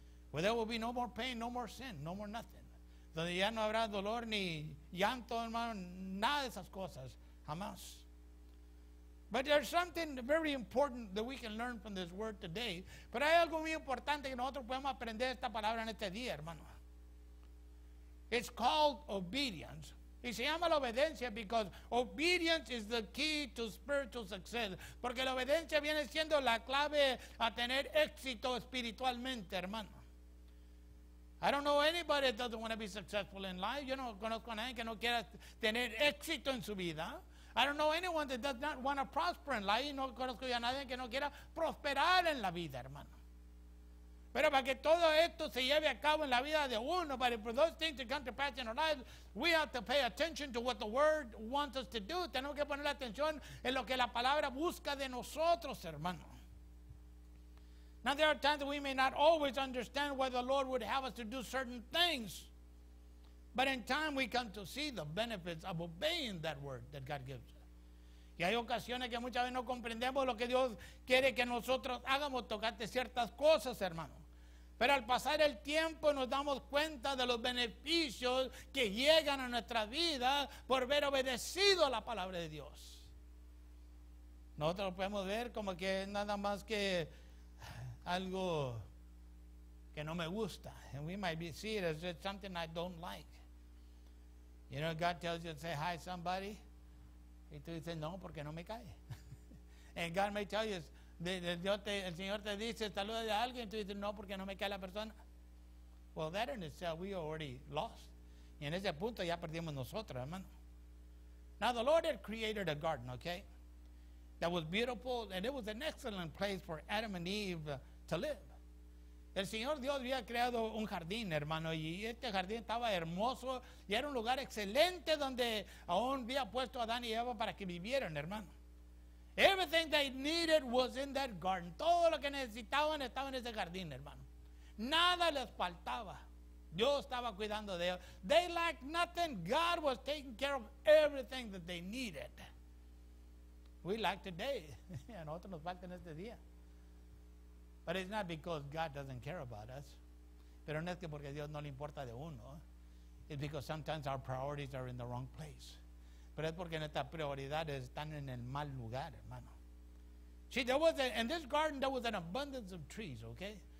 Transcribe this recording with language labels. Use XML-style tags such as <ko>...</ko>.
<en>Where there will be no more pain, no more sin, no more nothing.</en> <es>Donde ya no habrá dolor ni llanto, hermano, nada de esas cosas, jamás.</es> <en>But there's something very important that we can learn from this word today.</en> <es>Pero hay algo muy importante que nosotros podemos aprender esta palabra en este día, hermano.</es> <en>It's called obedience.</en> <es>Y se llama la obediencia</es> <en>because obedience is the key to spiritual success.</en> <es>Porque la obediencia viene siendo la clave a tener éxito espiritualmente, hermano.</es> <en>I don't know anybody that doesn't want to be successful in life.</en> <es>Yo no conozco a nadie que no quiera tener éxito en su vida.</es> <en>I don't know anyone that does not want to prosper in life.</en> <es>No conozco a nadie que no quiera prosperar en la vida, hermano. Pero para que todo esto se lleve a cabo en la vida de uno,</es> <en>but for those things to come to pass in our lives, we have to pay attention to what the word wants us to do.</en> <es>Tenemos que poner la atención en lo que la palabra busca de nosotros, hermano.</es> <en>Now there are times that we may not always understand why the Lord would have us to do certain things. But in time we come to see the benefits of obeying that word that God gives us.</en> <es>Y hay ocasiones que muchas veces no comprendemos lo que Dios quiere que nosotros hagamos tocante ciertas cosas, hermano. Pero al pasar el tiempo nos damos cuenta de los beneficios que llegan a nuestra vida por haber obedecido a la palabra de Dios. Nosotros podemos ver como que nada más que algo que no me gusta.</es> <en>And we might be seeing it as just something I don't like. You know, God tells you to say hi to somebody.</en> <es>Y tú dices, no, porque no me cae.</es> <en>And God may tell you,</en> <es>el Señor te dice, saluda a alguien. Y tú dices, no, porque no me cae la persona.</es> <en>Well, that in itself, we already lost.</en> <es>Y en ese punto ya perdimos nosotros, hermano.</es> <en>Now, the Lord had created a garden, okay? That was beautiful, and it was an excellent place for Adam and Eve to live.</en> <es>El Señor Dios había creado un jardín, hermano, y este jardín estaba hermoso, y era un lugar excelente donde aún había puesto a Adán y Eva para que vivieran, hermano.</es> <en>Everything they needed was in that garden.</en> <es>Todo lo que necesitaban estaba en ese jardín, hermano. Nada les faltaba. Dios estaba cuidando de ellos.</es> <en>They lacked nothing. God was taking care of everything that they needed. We lack today.</en> <es>A nosotros nos falta en este día.</es> <en>But it's not because God doesn't care about us.</en> <es>Pero no es que porque Dios no le importa de uno.</es> <en>It's because sometimes our priorities are in the wrong place.</en> <es>Pero es porque nuestras prioridades están en el mal lugar, hermano.</es> <en>See, there was in this garden, there was an abundance of trees, okay?</en>